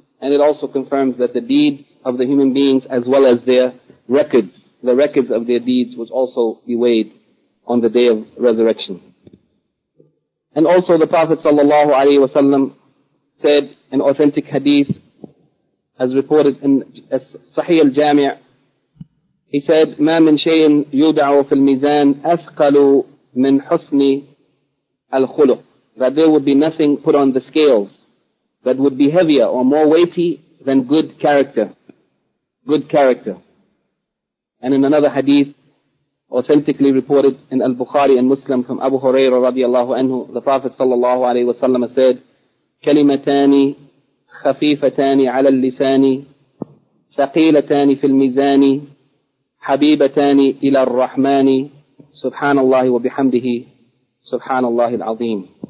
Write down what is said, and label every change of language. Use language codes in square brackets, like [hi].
[en] And it also confirms that the deeds of the human beings, as well as their records, the records of their deeds, was also be weighed on the day of resurrection. And also the Prophet sallallahu alayhi wa sallam said an authentic hadith as reported in Sahih al-Jami'. He said, [ar] ما من شيء يودع في الميزان أثقل من حسن الخلق. [en] That there would be nothing put on the scales that would be heavier or more weighty than good character. Good character. And in another hadith, authentically reported in Al-Bukhari and Muslim from Abu Hurairah radiallahu anhu, the Prophet sallallahu alayhi wa sallam said, [ar] كلمتاني خفيفتاني على اللسان ثقيلتان في الميزان حبيبتان إلى الرحمن سبحان الله وبحمده سبحان الله العظيم.